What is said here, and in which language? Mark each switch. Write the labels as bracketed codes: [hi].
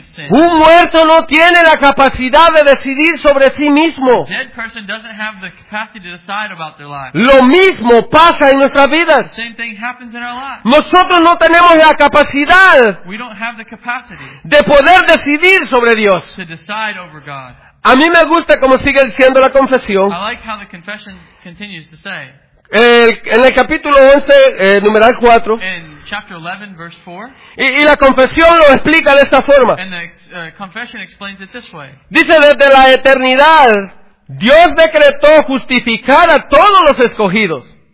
[es] Un muerto no tiene la capacidad de decidir sobre sí mismo. [en] A dead person doesn't have the capacity to decide about their life. [es] Lo mismo pasa en nuestras vidas. [en] Same thing happens in our lives. [es] Nosotros no tenemos la capacidad. [en] We don't have the capacity [es] de poder decidir sobre Dios. [en] To decide over God. [es] A mí me gusta como sigue diciendo la confesión. [en] I like how the confession continues to say. [es] En el capítulo 11, numeral 4. [en] In chapter 11, verse 4. [es] Y la confesión lo explica de esta forma. [en] And the confession explains it this way. [es] Dice, desde la eternidad, Dios decretó justificar a todos los escogidos.